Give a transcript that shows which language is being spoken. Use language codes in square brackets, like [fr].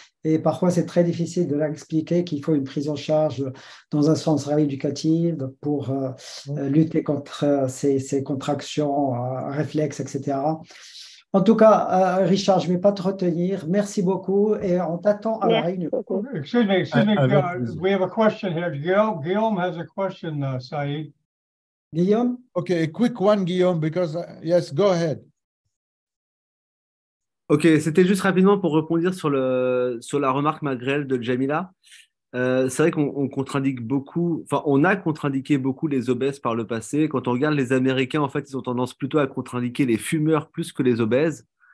[fr] Et parfois, c'est très difficile de leur expliquer qu'il faut une prise en charge dans un sens rééducatif pour lutter contre ces contractions, réflexes, etc. En tout cas, Richard, je ne vais pas te retenir. Merci beaucoup et on t'attend à la réunion. [en] Excuse me. We have a question here. Guillaume has a question, Saïd. Guillaume? Okay, a quick one, Guillaume, because, yes, go ahead. [fr] Ok, c'était juste rapidement pour répondre sur la remarque malgrêle de Jamila. C'est vrai qu'on contre-indique beaucoup, enfin on a contre-indiqué beaucoup les obèses par le passé. Quand on regarde les Américains, en fait, ils ont tendance plutôt à contre-indiquer les fumeurs plus que les obèses.